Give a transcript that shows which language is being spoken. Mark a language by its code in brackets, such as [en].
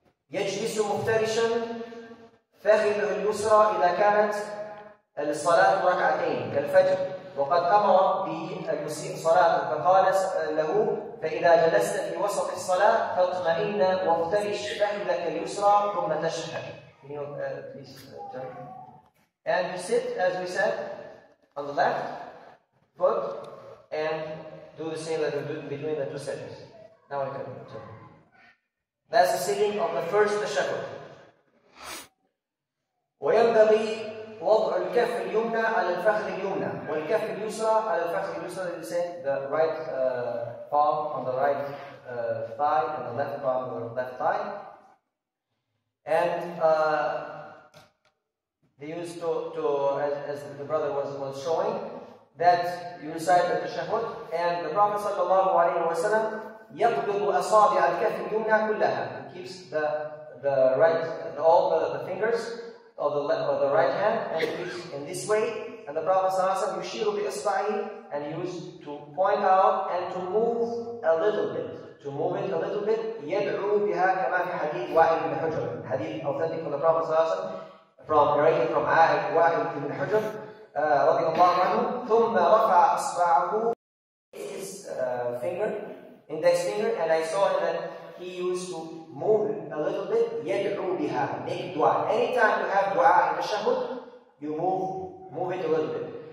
[ar] يجلس مفترشا فخذه اليسرى إذا كانت الصلاة ركعتين كالفجر وقد أمر به المسلم صلاة فقال له فإذا جلست في وسط الصلاة فاطمئن وافترش فخذك اليسرى ثم تشهد. [en] Can you please turn? And you sit, as we said, on the left foot and do the same that you do between the two sittings. Now I can turn. That's the sitting of the first tashahhud. [ar] وينبغي وضع الكف اليمنى على الفخذ اليمنى والكف اليسرى على الفخذ اليسرى. [en] You say the right palm on the right thigh and the left palm on the left thigh. And they used to as the brother was showing, that you recite the tashahhud, and the Prophet sallallahu alaihi wasallam [ar] يقبض أصابع الكف اليمنى كلها. [en] Keeps the right, all the fingers of the left, of the right hand, and keeps in this way. And the Prophet صلى الله عليه وسلم [ar] يشير بإصبعه, [en] and he used to point out and to move a little bit, to move it a little bit. [ar] يدعو بها كما في حديث واحد بن حجر. [en] Hadith authentic from the Prophet [ar] صلى الله عليه وسلم, from narrated from واحد بن حجر رضي الله عنه. ثم رفع إصبعه, [en] his finger, index finger, and I saw that he used to move a little bit. [ar] يدعو بها, [en] make dua. Anytime you have dua in the tashahhud, you move it a little bit.